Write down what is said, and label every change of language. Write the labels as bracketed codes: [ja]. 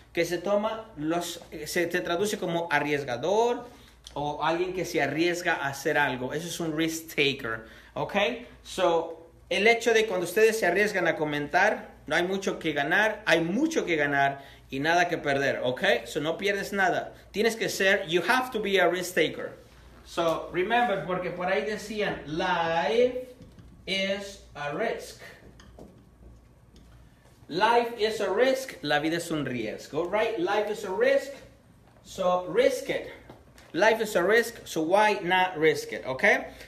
[es] Que se toma los se traduce como arriesgador o alguien que se arriesga a hacer algo. Eso es un risk taker, ¿okay? So, el hecho de cuando ustedes se arriesgan a comentar, no hay mucho que ganar, hay mucho que ganar y nada que perder, ¿okay? So, no pierdes nada. Tienes que ser, [en] you have to be a risk taker. So, remember, [es] porque por ahí decían, [en] life is a risk. Life is a risk. [es] La vida es un riesgo, [en] right? Life is a risk. So, risk it. Life is a risk. So, why not risk it, okay?